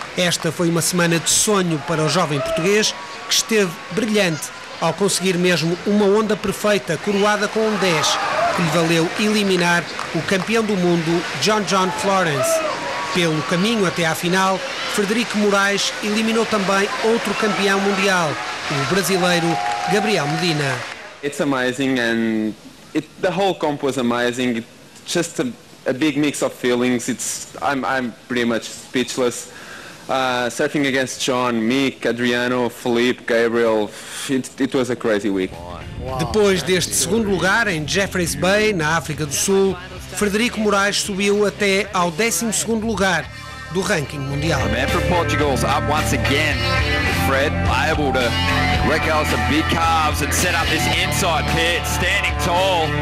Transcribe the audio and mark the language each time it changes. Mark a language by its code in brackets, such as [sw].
[pt] Esta foi uma semana de sonho para o jovem português, que esteve brilhante ao conseguir mesmo uma onda perfeita coroada com um 10, que lhe valeu eliminar o campeão do mundo John Florence. Pelo caminho até à final, Frederico Moraes eliminou também outro campeão mundial, o brasileiro Gabriel Medina. [en] It's amazing and the whole comp was amazing. It's just a big mix of feelings. I'm pretty much speechless. Surfing against John, Mick, Adriano, Felipe, Gabriel, it was a crazy week. [pt] Depois deste segundo lugar em Jeffreys Bay, na África do Sul, Frederico Moraes subiu até ao 12º lugar do ranking mundial. [en] A man from Portugal's up once again. Fred able to wreck out some big calves and set up this inside pit, standing tall.